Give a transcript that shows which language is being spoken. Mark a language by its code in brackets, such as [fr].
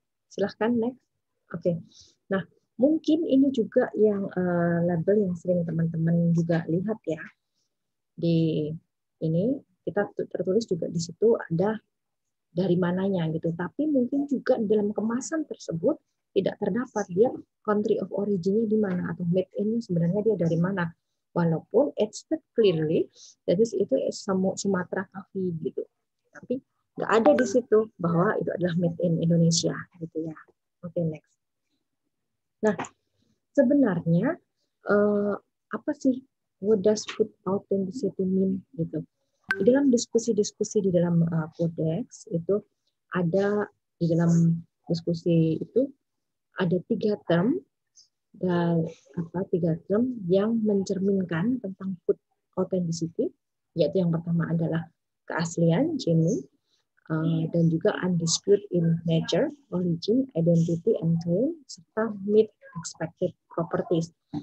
[id] Silahkan next. Okay. Nah, mungkin ini juga yang label yang sering teman-teman juga lihat ya. Di ini kita tertulis juga di situ ada dari mananya gitu. Tapi mungkin juga dalam kemasan tersebut tidak terdapat dia country of origin-nya di mana atau made in-nya sebenarnya dia dari mana. Walaupun [en] it's stated clearly that is itu Sumatra coffee gitu. [id] Tapi enggak ada di situ bahwa itu adalah made in Indonesia gitu ya. Okay, next. Nah, sebenarnya apa sih [en] what does food authenticity mean [id] gitu? Dalam diskusi-diskusi di dalam Codex itu ada di dalam diskusi itu ada tiga term dan tiga term yang mencerminkan tentang food authenticity, yaitu yang pertama adalah keaslian genuine dan juga [en] undisputed in nature, origin, identity and claim [id] serta [en] meet expected properties.